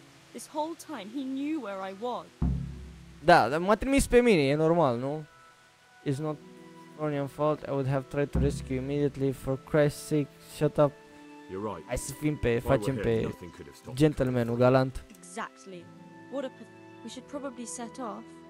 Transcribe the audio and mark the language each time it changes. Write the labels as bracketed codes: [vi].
[en] This whole time he knew where I was. [ro] Da, dar m-a trimis pe mine, e normal, nu? [en] It's not Florian's fault. I would have tried to rescue you immediately. For Christ's sake, shut up. You're right. [ro] Hai să fim pe, facem pe gentlemanul galant. [en] Exactly. Exactly. What a we should probably set off.